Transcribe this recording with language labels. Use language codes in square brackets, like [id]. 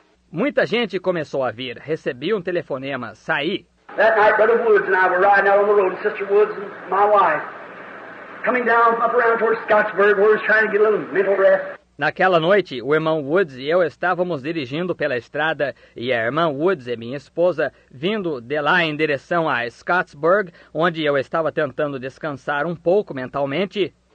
[pt] Muita gente começou a vir, recebi um telefonema, saí. [en] That night, Brother Woods and I were riding out on the road, and Sister Woods and my wife, coming down up around towards Scottsburg, where we're trying to get a little mental rest. [pt] Naquela noite, o irmão Woods e eu estávamos dirigindo pela estrada e a irmã Woods e minha esposa vindo de lá em direção a Scottsburg, onde eu estava tentando descansar um pouco mentalmente.